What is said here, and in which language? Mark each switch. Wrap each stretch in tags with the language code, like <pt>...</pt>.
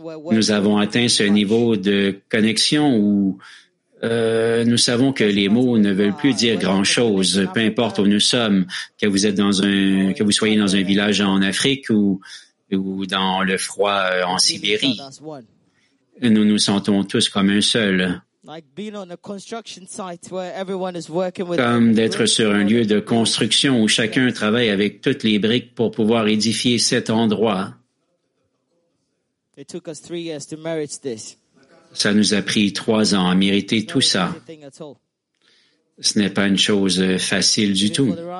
<fr>Nous avons atteint ce niveau de connexion où nous savons que les mots ne veulent plus dire grand-chose, peu importe où nous sommes, que vous êtes que vous soyez dans un village en Afrique ou dans le froid en Sibérie. Nous nous sentons tous comme un seul. Comme d'être sur un lieu de construction où chacun travaille avec toutes les briques pour pouvoir édifier cet endroit.</fr> <en>It took us 3 years to merit this.</en> <fr>Ça nous a pris 3 ans à mériter tout ça. Ce n'est pas une chose facile du tout.</fr>